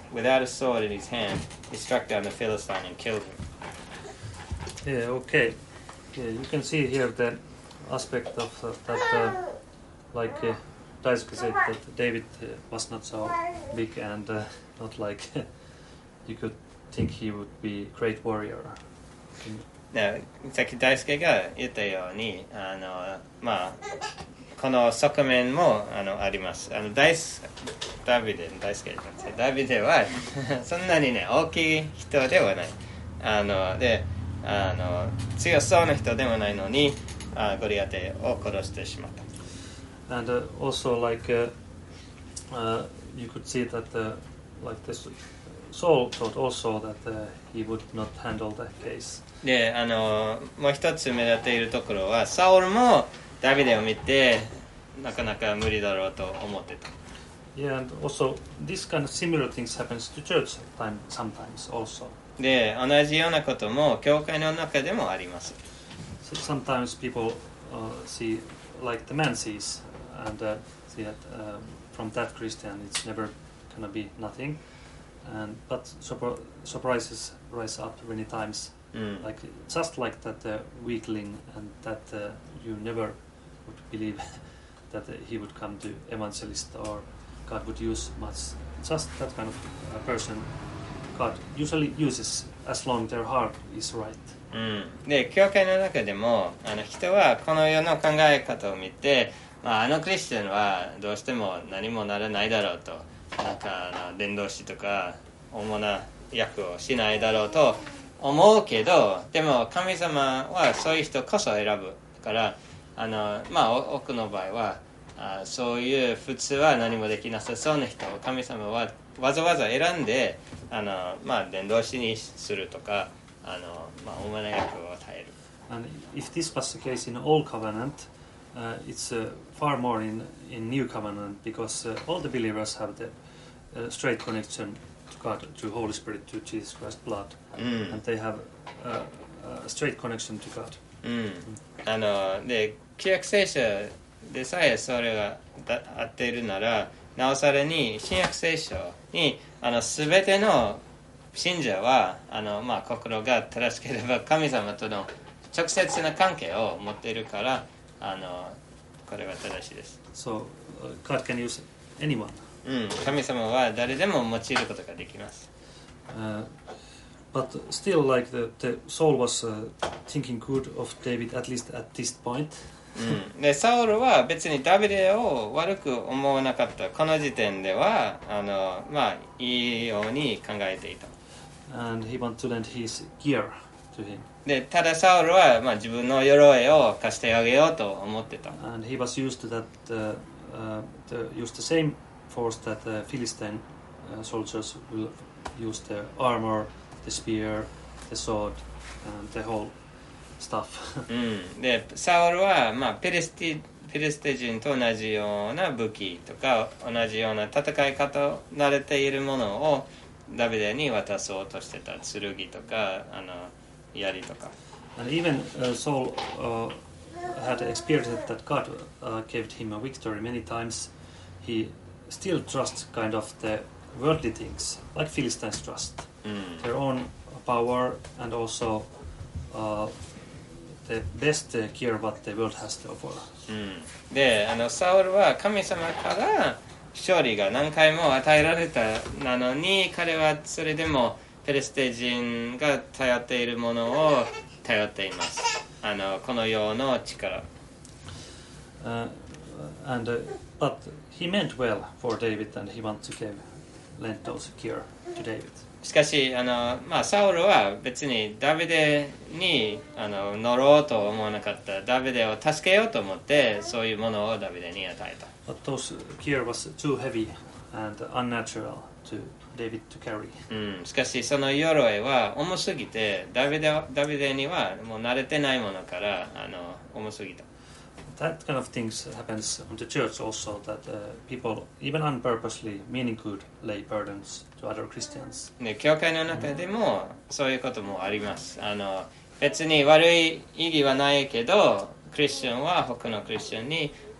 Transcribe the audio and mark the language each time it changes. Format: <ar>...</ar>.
<en>Without a sword in his hand, he struck down the Philistine and killed him. Yeah, okay. Yeah, you can see here the aspect of Daisuke said that David was not so big and not like you could think he would be a great warrior.</en> <ja>ね、さっき大輔が言ったようにまあ、この側面もありますダビデはそんなに、ね、大きい人ではないで強そうな人でもないのにゴリアテを殺してしまった</ja> <en>And also like you could see that like this Saul thought also that he would not handle that case</en> <ja>で、もう一つ目立っているところは、サウルもダビデを見て、なかなか無理だろうと思ってた。</ja> <en>Yeah, and also, this kind of similar things happens to church sometimes also.</en> <ja>で、同じようなことも、教会の中でもあります。</ja> <en>So sometimes people see, like the man sees, and see that from that Christian it's never gonna be nothing, and, but surprises rise up many times. Mm. Like just like that weakling, and that you never would believe that he would come to evangelist or God would use much. Just that kind of person God usually uses as long their heart is right. Mm.</en> <ja>で、教会の中でも人はこの世の考え方を見て、クリスチャンはどうしても何もならないだろうと、伝道師とか主な役をしないだろうと。思うけど、でも神様はそういう人こそ選ぶから、多くの場合はそういう普通は何もできなさそうな人を神様はわざわざ選んで、伝道師にするとか、主な役を与える。</ja> <en>And if this was the case in Old Covenant, it's far more in New Covenant because all the believers have the straight connection. God, to Holy Spirit, to Jesus Christ's blood, and they have a straight connection to God.</en> <ja>で、旧約聖書でさえそれが合っているなら、なおさらに新約聖書に全ての信者は心が正しければ神様との直接な関係を持っているから、これは正しいです。</ja> <en>So, God can use anyone.</en> <ja>神様は誰でも用いることができます。</ja> <en>But still, like the Saul was thinking good of David at least at this point.</en> <ja>で、サウルは別にダビデを悪く思わなかった。この時点ではいいように考えていた。</ja> <en>And he wanted to lend his gear to him.</en> <ja>で、ただサウルは自分の鎧を貸してあげようと思ってた。</ja> <en>And he was used to that used the same. Force that the Philistine soldiers will use the armor, the spear, the sword, and the whole stuff.</en> <ja>で、サウルは、ピリスティ人と同じような武器とか同じような戦い方を慣れているものをダビデに渡そうとしてた剣とか槍とか。</ja> <en>And even Saul had experienced that God gave him a victory many times. He still trust kind of the worldly things, like Philistines trust. Their own power and also the best gear what the world has to offer.</en> <ja>で、サウルは神様から勝利が何回も与えられたなのに、彼はそれでもペリシテ人が頼っているものを頼っています。この世の力。</ja> <en>But he meant well for David, and he wanted to give, lend those gear to David.</en> <ja>しかし、サウルは別にダビデに乗ろうと思わなかった。ダビデを助けようと思って、そういうものをダビデに与えた。</ja> <en>But those gear was too heavy and unnatural to David to carry.</en> <ja>しかし、その鎧は重すぎて、ダビデにはもう慣れてないものから、重すぎた。</ja> <en>That kind of things happens in the church also, that people, even unpurposely, meaning good, lay burdens to other Christians.</en> <ja>ね、教会の中でもそういうこともあります。別に悪い意義はないけど、クリスチャンは他のクリスチャンに</ja>